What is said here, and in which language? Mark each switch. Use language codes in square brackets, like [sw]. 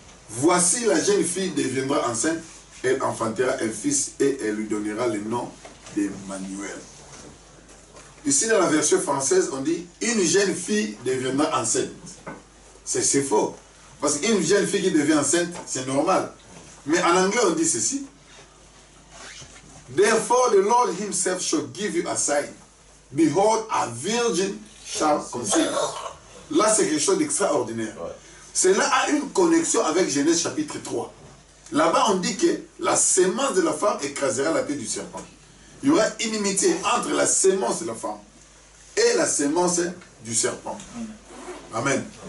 [fr] Voici la jeune fille deviendra enceinte, elle enfantera un fils et elle lui donnera le nom d'Emmanuel. Ici, dans la version française, on dit « une jeune fille deviendra enceinte ». C'est faux. Parce qu'une jeune fille qui devient enceinte, c'est normal. Mais en anglais, on dit ceci. [en] « Therefore, the Lord himself shall give you a sign. Behold, a virgin shall conceive. » [fr] Là, c'est quelque chose d'extraordinaire. Ouais. Cela a une connexion avec Genèse chapitre 3. Là-bas, on dit que la semence de la femme écrasera la tête du serpent. Il y aura inimitié entre la semence de la femme et la semence du serpent. Amen.